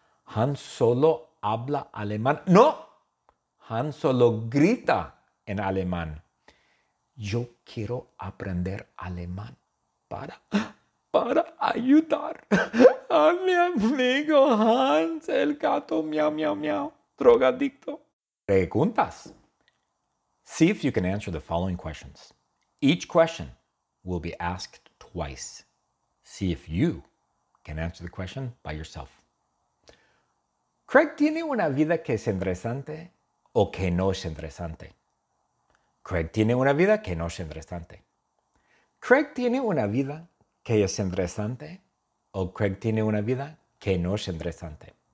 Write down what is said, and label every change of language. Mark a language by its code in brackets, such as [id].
[es] Hans solo habla alemán. ¡No! Hans solo grita en alemán. Yo quiero aprender alemán para ayudar a mi amigo Hans, el gato miau, miau, miau, drogadicto. Preguntas. [en] See if you can answer the following questions. Each question will be asked twice. See if you can answer the question by yourself. [es] Craig tiene una vida que es interesante o que no es interesante. Craig tiene una vida que no es interesante. Craig tiene una vida que es interesante o Craig tiene una vida que no es interesante.